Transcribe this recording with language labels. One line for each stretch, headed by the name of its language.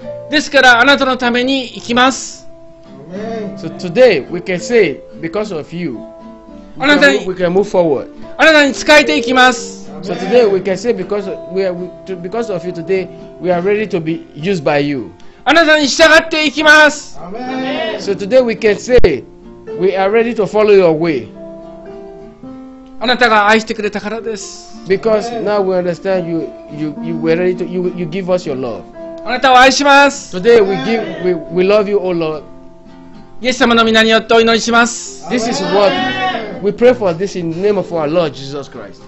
Japanese: ですからあなたのために行きます。
English: So today we can say because of you, we can move forward.
Japanese: あなたに仕えていきます。
English: So today we can say because of you today we are ready to be used by you.
Japanese: あなたに従っていきます。
English: So today we can say we are ready to follow your way.
Japanese: あなたが愛してくれたからです。
English: Because now we understand you were ready to you give us your love.
Japanese: あなたを愛します。
English: Today we love you, O Lord.
Japanese: イエス様の皆によってお祈りします。
English: This is what we pray for this in the name of our Lord Jesus Christ.